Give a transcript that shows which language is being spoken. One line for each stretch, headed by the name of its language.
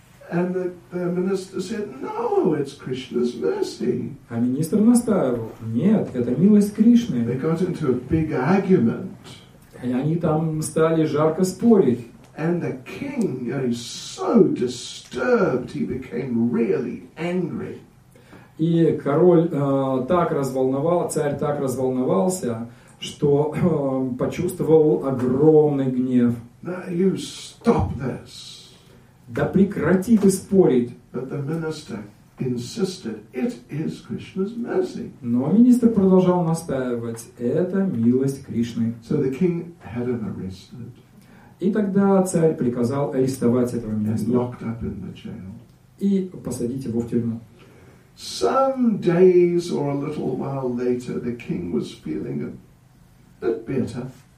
English: And the minister said, "No, it's Krishna's mercy."
Russian: А министр настаивал: "Нет, это милость Кришны."
English: They got into a big argument.
Russian: И они там стали жарко спорить.
English: And the king, he's so disturbed, he became really angry.
Russian: И король так разволновался, царь так разволновался, что почувствовал огромный гнев.
English: Now you stop this.
Russian: Да прекрати ты спорить.
English: But the minister insisted, it is Krishna's mercy.
Russian: Но министр продолжал настаивать, это милость Кришны.
English: So the king had him arrested.
Russian: И тогда царь приказал арестовать этого министра.
English: And locked up in the jail.
Russian: И посадить его в тюрьму.
English: Some days or a little while later, the king was feeling a bit better.